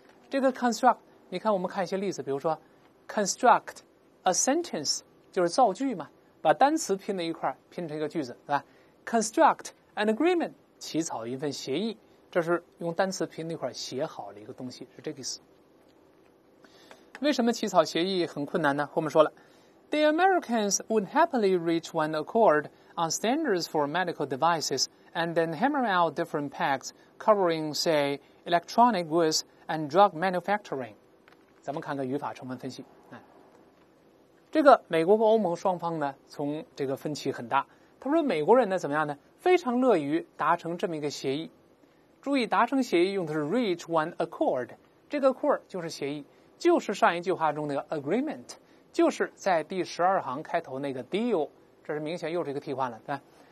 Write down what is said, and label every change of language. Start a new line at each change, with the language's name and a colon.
Chinese: 这个 construct 你看，我们看一些例子，比如说
English: construct a sentence
Chinese: 就是造句嘛，把单词拼了一块，拼成一个句子，对吧？
English: construct an agreement
Chinese: 起草一份协议，这是用单词拼了一块，写好了一个东西，是这个意思。为什么起草协议很困难呢？
English: 后面说了 The Americans would happily reach one accord on standards for medical devices and then hammer out different pacts covering, say, electronic goods and drug manufacturing.
Chinese: 咱们看个语法成分分析。这个美国和欧盟双方呢，从这个分歧很大。他说美国人呢，怎么样呢？非常乐于达成这么一个协议。注意，达成协议用的是
English: reach one accord，
Chinese: 这个 accord 就是协议，就是上一句话中的 agreement， 就是在第十二行开头那个 deal， 这是明显又是一个替换了，对吧？